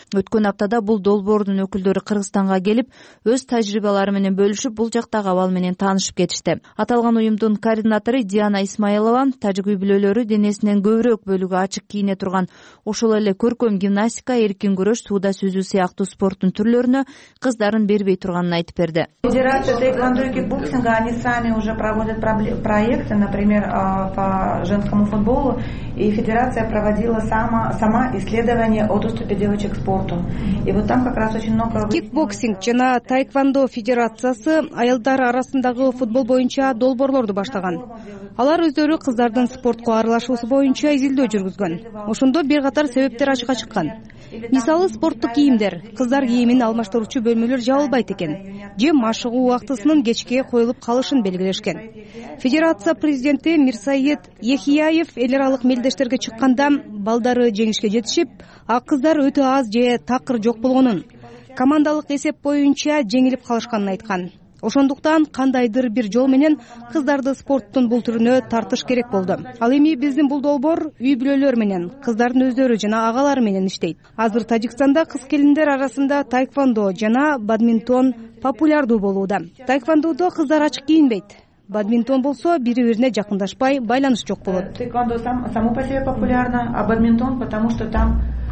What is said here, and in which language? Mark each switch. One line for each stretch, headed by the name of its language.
Kyrgyz: Өткөн аптада бул долбоордун өкүлдөрү Кыргызстанга келип өз тажрыйбалары менен бөлүшүп бул жактагы абал менен таанышып кетишти. Аталган уюмдун координатору Диана Исмаилова тажик үй бүлөлөрү денесинен көбүрөөк бөлүгү ачык кийине турган, ошол эле көркөм гимнастика, эркин күрөш, сууда сүзүү сыяктуу спорттун түрлөрүнө кыздарын бербей турганын айтып берди.
Russian: Федерация тэквондоки боксинга они сами уже проводят проекты, например, по женскому футболу, и федерация проводила сама исследование о доступе девочек к спорту. И вот там как раз очень много
Kyrgyz: кикбоксинг жана тайквондо федерациясы аялдар арасындагы футбол боюнча долбоорлорду баштаган. Алар өздөрү кыздардын спортко аралашуусу боюнча изилдөө жүргүзгөн. Ошондо бир катар себептер ачыкка чыккан. Мисалы, спорттук кийимдер, кыздар кийимин алмаштыруучу бөлмөлөр жабылбайт экен же машыгуу убактысынын кечке коюлуп калышын белгилешкен. Федерация президенти Мирсаид Ехияев эл аралык мелдештерге чыкканда балдары жеңишке жетишип, ак кыздар өтө аз же такыр жок болгонун, командалык эсеп боюнча жеңилип калышканын айткан. Ошондуктан кандайдыр бир жол менен кыздарды спорттун бул түрүнө тартыш керек болду. Ал эми биздин бул долбоор үй бүлөлөр менен, кыздардын өздөрү жана агалары менен иштейт. Азыр Тажикстанда кыз келиндер арасында тайквондо жана бадминтон популярдуу болууда. Тайквондодо кыздар ачык кийинбейт. Бадминтон болсо бири бирине жакындашпай байланыш жок болот.
Russian: Тайквондо само по себе популярно, а бадминтон потому что там